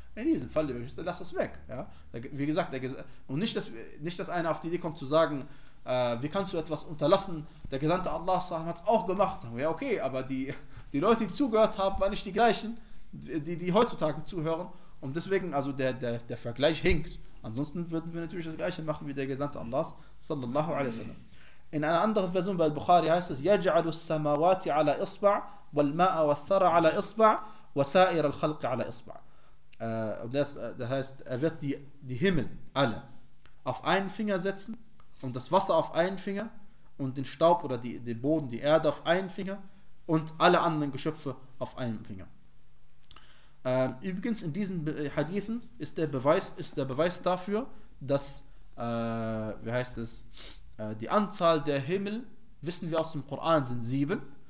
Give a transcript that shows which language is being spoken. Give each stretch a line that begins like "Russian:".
German: In diesem Fall, lass das weg. Ja? Wie gesagt, und nicht, dass einer auf die Idee kommt zu sagen, wie kannst du etwas unterlassen, der Gesandte Allah hat es auch gemacht. Ja okay, aber die Leute, die zugehört haben, waren nicht die gleichen, die heutzutage zuhören. Und deswegen, also der Vergleich hinkt. Ansonsten würden wir natürlich das Gleiche machen, wie der Gesandte Allah sallallahu alaihi wasallam. In einer anderen Version bei Al-Bukhari heißt es,
Arabic: يَجْعَلُ السَّمَوَاتِ عَلَى إِصْبَعَ وَالْمَاءَ وَالثَّرَ عَلَى إِصْبَعَ وَسَائِرَ الْخَلْقِ عَلَى إِصْبَعَ.
German: Das heißt, er wird die Himmel alle auf einen Finger setzen und das Wasser auf einen Finger und den Staub oder den Boden, die Erde auf einen Finger und alle anderen Geschöpfe auf einen Finger. Übrigens, in diesen Hadithen ist der Beweis dafür, dass, wie heißt es, die Anzahl der Himmel, wissen wir aus dem Koran, sind 7.